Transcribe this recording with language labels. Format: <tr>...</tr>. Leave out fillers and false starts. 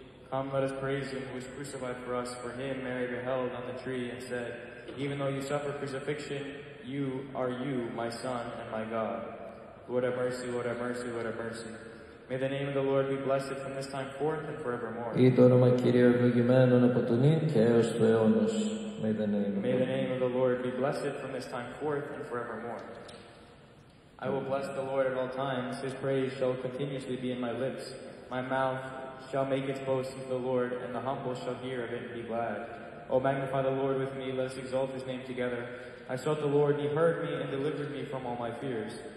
<en>Come, let us praise him who was crucified for us. For him, Mary beheld on the tree and said, even though you suffer crucifixion, you are you, my Son and my God. Lord, have mercy, Lord, have mercy, Lord, have mercy. May the name of the Lord be blessed from this time forth and forevermore.</en> <el>Ήτ' όνομα Κυρίου ευλογημένον από τον νυν και έως του αιώνος.</el> <en>May the name of the Lord be blessed from this time forth and forevermore. I will bless the Lord at all times. His praise shall continuously be in my lips. My mouth shall make its boast of the Lord, and the humble shall hear of it and be glad. O magnify the Lord with me. Let us exalt his name together. I sought the Lord, and he heard me and delivered me from all my fears.</en>